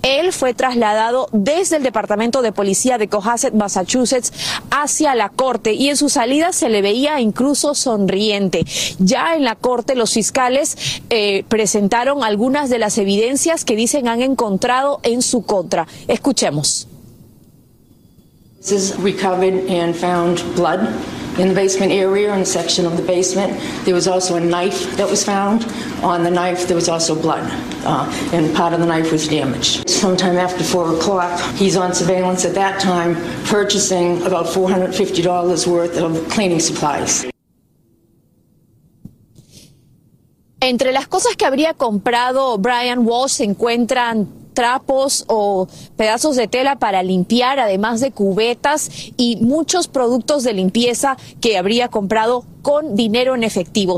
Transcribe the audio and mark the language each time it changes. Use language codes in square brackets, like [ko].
[es] Él fue trasladado desde el Departamento de Policía de Cohasset, Massachusetts, hacia la corte, y en su salida se le veía incluso sonriente. Ya en la corte, los fiscales presentaron algunas de las evidencias que dicen han encontrado en su contra. Escuchemos. [en] This is recovered and found blood in the basement area, in a section of the basement. There was also a knife that was found. On the knife, there was also blood, and part of the knife was damaged. Sometime after 4 o'clock, he's on surveillance at that time, purchasing about $450 worth of cleaning supplies. [es] Entre las cosas que habría comprado Brian Walsh se encuentran trapos o pedazos de tela para limpiar, además de cubetas y muchos productos de limpieza que habría comprado con dinero en efectivo.